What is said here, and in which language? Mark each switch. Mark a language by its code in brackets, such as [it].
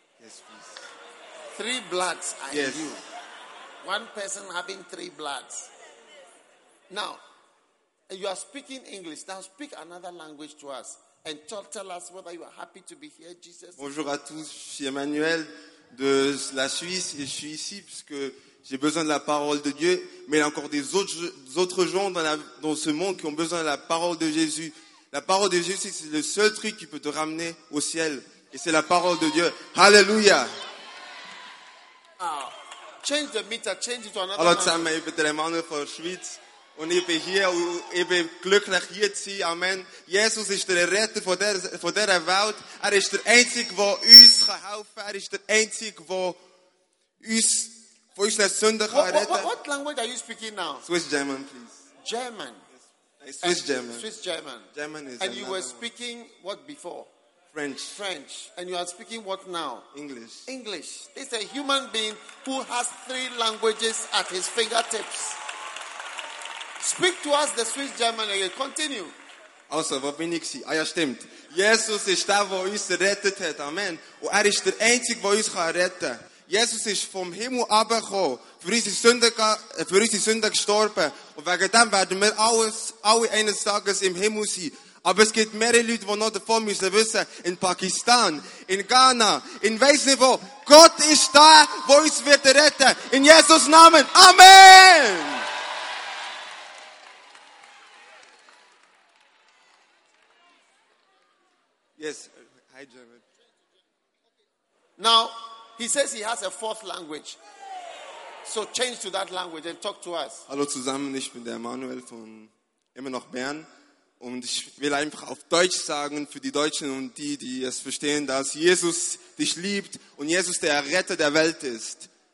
[en] Yes, please. Three bloods are yes. You. One person having three bloods. Now, you are speaking English. Now speak another language to us. And tell us whether you are happy to be here, Jesus. [fr] Bonjour à tous. Je suis Emmanuel de la Suisse. Et je suis ici parce que j'ai besoin de la parole de Dieu. Mais il y a encore des autres gens dans ce monde qui ont besoin de la parole de Jésus. La parole de Jésus, c'est le seul truc qui peut te ramener au ciel. Et c'est la parole de Dieu. Alléluia. [en] Change the meter. Change it to another one. [fr] Alors, ça m'a aidé à manger pour Schwitz. [de] Und ich bin hier und ich bin glücklich hier zu sein. Amen. Jesus ist der Retter von dieser Welt. Er ist der Einzige, der uns helfen kann. Er ist der Einzige, der uns von unseren Sünden retten kann. [en] What language are you speaking now? Swiss German, please. German? Swiss German. Swiss German. German is and you were speaking what before? French. French. And you are speaking what now? English. English. This is a human being who has three languages at his fingertips. Speak to us the Swiss German again. Continue. [de] Also, wo bin ich sie? Ah ja, stimmt. Jesus ist der, der uns gerettet hat. Amen. Und er ist der Einzige, der uns retten kann. Jesus ist vom Himmel runtergekommen, für unsere Sünden gestorben. Und wegen dem werden wir alle eines Tages im Himmel sein. Aber es gibt mehrere Leute, die noch davon müssen wissen. In Pakistan, in Ghana, in weiss nicht wo. Gott ist der, der uns wird retten. In Jesus' Namen. Amen. [en] Yes, hi German. Now, he says he has a fourth language. So change to that language and talk to us. [de] Hallo zusammen, ich bin der Manuel von immer noch Bern. Und ich will einfach auf Deutsch sagen für die Deutschen und die, die es verstehen, dass Jesus dich liebt und Jesus der Retter der Welt ist.